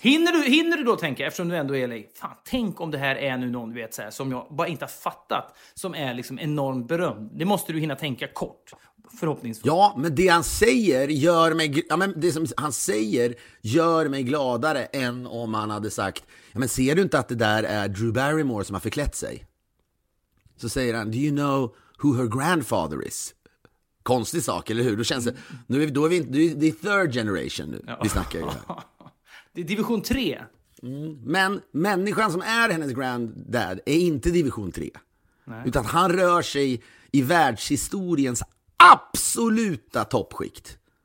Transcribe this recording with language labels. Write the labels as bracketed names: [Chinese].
[Swedish] Hinner du då tänka, eftersom du ändå är like, fan, tänk om det här är nu någon, du vet, så här, som jag bara inte har fattat, som är liksom enormt berömd. Det måste du hinna tänka kort, förhoppningsvis. Ja, men det han säger gör mig, ja, men det som han säger gör mig gladare än om han hade sagt, ja, men ser du inte att det där är Drew Barrymore som har förklätt sig? Så säger han, [English] do you know who her grandfather is? [Swedish] Konstig sak, eller hur? Då känns det, nu är vi, då är vi inte, det är [English] third generation [Swedish] nu, ja. Vi snackar ju här. Det är division 3. Men människan som är hennes granddad är inte division 3. Nej. Utan han rör sig i världshistoriens absoluta toppskikt.